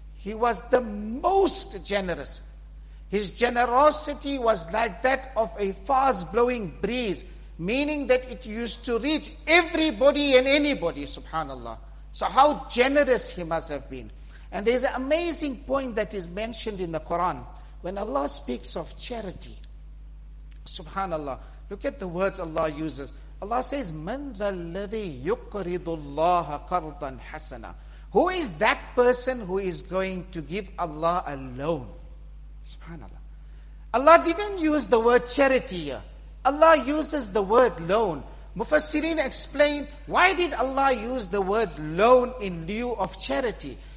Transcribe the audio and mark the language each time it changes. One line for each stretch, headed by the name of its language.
English: He was the most generous. His generosity was like that of a fast-blowing breeze, meaning that it used to reach everybody and anybody, subhanallah. So how generous he must have been. And there's an amazing point that is mentioned in the Quran. When Allah speaks of charity, subhanallah, look at the words Allah uses. Allah says,
Arabic: مَنْ ذَا الَّذِي يُقْرِضُ اللَّهَ قَرْضًا حَسَنًا.
English: Who is that person who is going to give Allah a loan? SubhanAllah. Allah didn't use the word charity here. Allah uses the word loan. Mufassirin explained, why did Allah use the word loan in lieu of charity?